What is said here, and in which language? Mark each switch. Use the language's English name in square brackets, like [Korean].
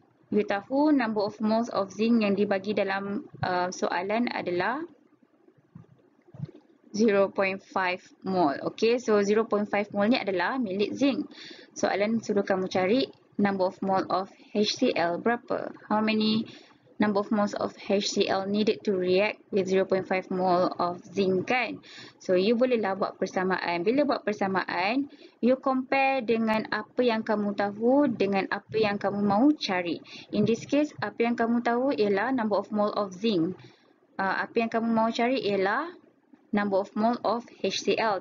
[Malay] You tahu [English] number of moles of zinc [Malay] yang dibagi dalam soalan adalah 0.5 mol. Okay, so 0.5 mol ni adalah milik zinc. Soalan suruh kamu cari [English] number of mole of HCl [Malay] berapa? [English] How many number of moles of HCl needed to react with 0.5 mole of zinc kan? [Malay] So, you bolehlah buat persamaan. Bila buat persamaan, you compare dengan apa yang kamu tahu dengan apa yang kamu mahu cari. [English] In this case, [Malay] apa yang kamu tahu ialah [English] number of mole of zinc. [Malay] Apa yang kamu mahu cari ialah [English] number of mole of HCl.